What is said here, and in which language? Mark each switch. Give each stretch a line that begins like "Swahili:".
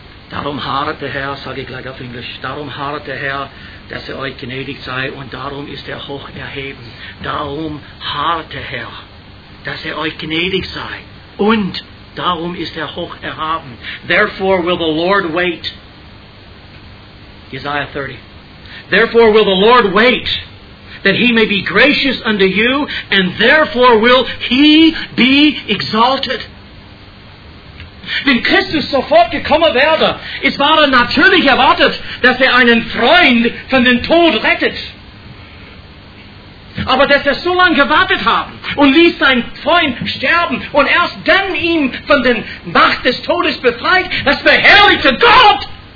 German: Darum harret der Herr, sage ich gleich auf Englisch, darum harret der Herr, dass er euch gnädig sei, und darum ist er hoch erheben. Darum harret der Herr, dass er euch gnädig sei, und darum ist er hoch erhaben.
English: Therefore will the Lord wait. Jesaja 30. Therefore will the Lord wait, that he may be gracious unto you, and therefore will he be exalted.
German: Wenn Christus sofort gekommen wäre, es war natürlich erwartet, dass er einen Freund von dem Tod rettet. Aber dass er so lange gewartet hat und ließ seinen Freund sterben und erst dann ihn von der Macht des Todes befreit, das verherrlichte Gott.